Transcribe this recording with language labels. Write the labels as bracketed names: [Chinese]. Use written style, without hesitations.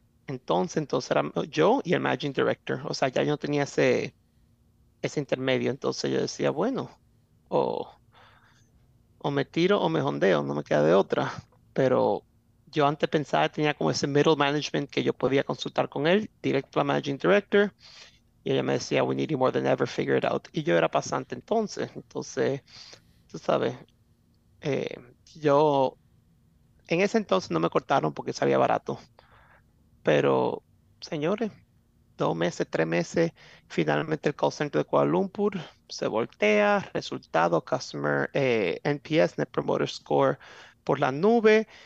[Spanish] Entonces era yo y el managing director. O sea, ya yo no tenía ese intermedio. Entonces yo decía, bueno, o me tiro o me jondeo, no me queda de otra. Pero yo antes pensaba que tenía como ese middle management que yo podía consultar con él, directo al managing director. Y ella me decía, [English] we need you more than ever, figure it out. [Spanish] Y yo era pasante entonces. Entonces, tú sabes, yo en ese entonces no me cortaron porque salía barato. Pero, señores, 2 meses, 3 meses, finalmente el call center de Kuala Lumpur se voltea, resultado, customer NPS, Net Promoter Score, por la nube.